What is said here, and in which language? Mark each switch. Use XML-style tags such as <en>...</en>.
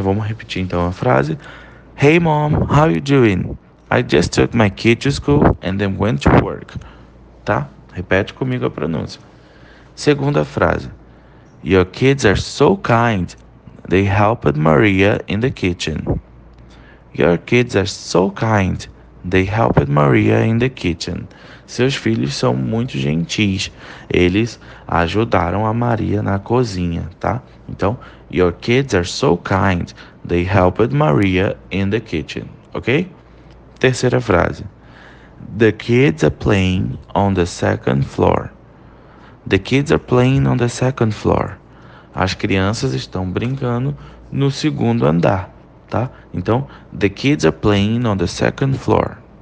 <pt>Vamos repetir então a frase.</pt> <en>Hey mom, how you doing? I just took my kid to school and then went to work.</en> <pt>Tá? Repete comigo a pronúncia. Segunda frase.</pt> <en>Your kids are so kind. They helped Maria in the kitchen. Your kids are so kind. They helped Maria in the kitchen.</en> <pt>Seus filhos são muito gentis. Eles ajudaram a Maria na cozinha, tá? Então,</pt> <en>your kids are so kind. They helped Maria in the kitchen. Ok?</en> <pt>Terceira frase.</pt> <en>The kids are playing on the second floor. The kids are playing on the second floor.</en> <pt>As crianças estão brincando no segundo andar, tá? Então,</pt> <en>the kids are playing on the second floor.</en>